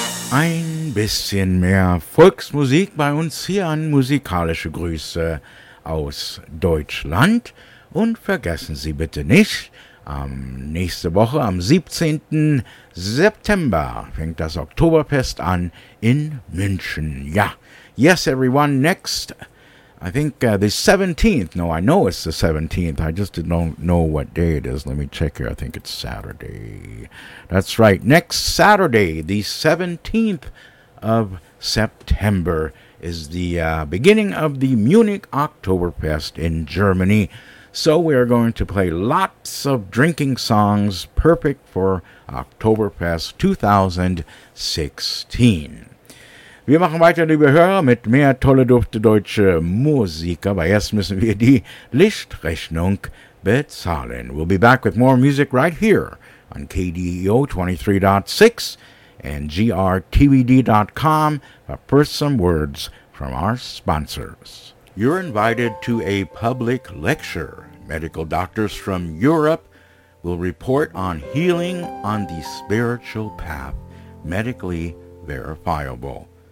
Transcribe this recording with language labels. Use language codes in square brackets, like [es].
[de] Ein bisschen mehr Volksmusik bei uns hier an musikalische Grüße aus Deutschland. Und vergessen Sie bitte nicht, nächste Woche, am 17. September, fängt das Oktoberfest an in München. [en] Ja, yes everyone, next, I think the 17th, no, I know it's the 17th, I just don't know what day it is, let me check here, I think it's Saturday. That's right, next Saturday, the 17th of September, is the beginning of the Munich Oktoberfest in Germany. So we are going to play lots of drinking songs, perfect for Oktoberfest 2016. [de] Wir machen weiter, liebe Hörer, mit mehr tolle, dufte deutsche Musik. Aber erst müssen wir die Lichtrechnung bezahlen. [en] We'll be back with more music right here on KDEO 23.6 and GRTVD.com. But first, some words from our sponsors. You're invited to a public lecture. Medical doctors from Europe will report on healing on the spiritual path, medically verifiable.